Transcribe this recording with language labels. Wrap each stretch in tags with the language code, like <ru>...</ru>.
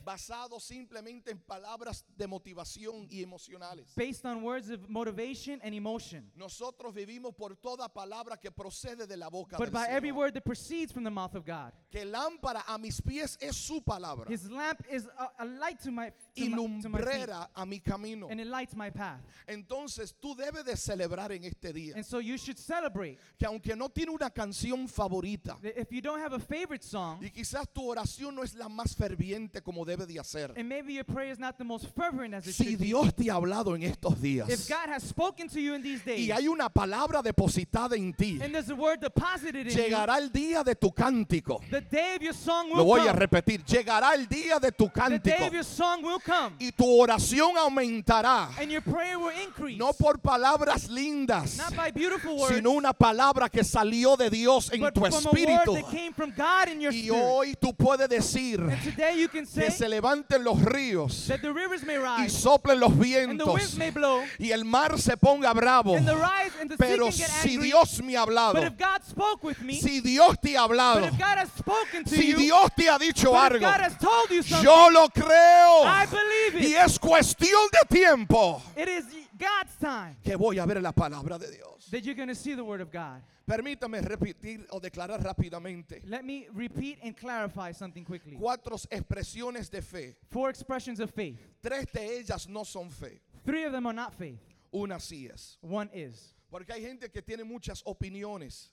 <es>basado simplemente en palabras de motivación y emocionales,</es> <en>based on words of motivation and emotion.</en> <es>Nosotros vivimos por toda palabra que procede de la boca del Señor.</es> <en>But by every word that proceeds from the mouth of God.</en> <es>Que lámpara a mis pies es su palabra.</es> <en>His lamp is a light to my</en> <es>y lumbrera a mi camino.</es> <en>And it lights my path.</en> <es>Entonces tú debes de celebrar en este día.</es> <en>And so you should celebrate.</en> <es>Que aunque no tiene una canción favorita,</es> <en>if you don't have a favorite song,</en> <es>y quizás tu oración no es la más ferviente como debe de hacer,</es> <en>and maybe your prayer is not the most fervent as it</en> <es>si</es> <en>should</en> <es>Dios</es> <en>be,</en> <es>te ha hablado en estos días,</es> <en>if God has spoken to you in these days,</en> <es>y hay una palabra depositada en ti,</es> <en>and there's a word deposited in</en> <es>llegará</es> <en>you,</en> <es>el día de tu cántico,</es> <en>the day of your song will</en> <es>lo voy</es> <en>come,</en> <es>a repetir, llegará el día de tu cántico,</es> <en>the day of your song will come,</en> <es>y tu oración aumentará,</es> <en>and your prayer will increase,</en> <es>no por palabras lindas,</es> <en>not by beautiful words,</en> <es>sino una palabra que salió de Dios en tu espíritu, y hoy tú puedes decir,</es> <en>and today you can say,</en> <es>que se levanten los ríos,</es> <en>that the rivers may rise,</en> <es>y soplen los vientos,</es> <en>and the wind may blow,</en> <es>y el mar se ponga bravo,</es> <en>and the rise, and the</en> <es>pero</es> <en>sea can get</en> <es>si</es> <en>angry,</en> <es>Dios me ha hablado,</es> <en>but if God spoke with me,</en> <es>si Dios te ha hablado,</es> <en>but if God has spoken to</en> <es>si</es> <en>you,</en> <es>Dios te ha dicho algo,</es> <en>God has told you something,</en> <es>yo lo creo,</es> <en>I believe it,</en> <es>y es cuestión de tiempo,</es> <en>it is God's time,</en> <es>que voy a ver la palabra de Dios,</es> <en>that you're going to see the word of God.</en> <es>Permítame repetir o declarar rápidamente.</es> <en>Let me repeat and clarify something quickly.</en> <es>Cuatro expresiones de fe.</es> <en>Four expressions of faith.</en> <es>Tres de ellas no son fe.</es> <en>Three of them are not faith.</en> <es>Una sí es.</es> <en>One is.</en> <es>Porque hay gente que tiene muchas opiniones.</es>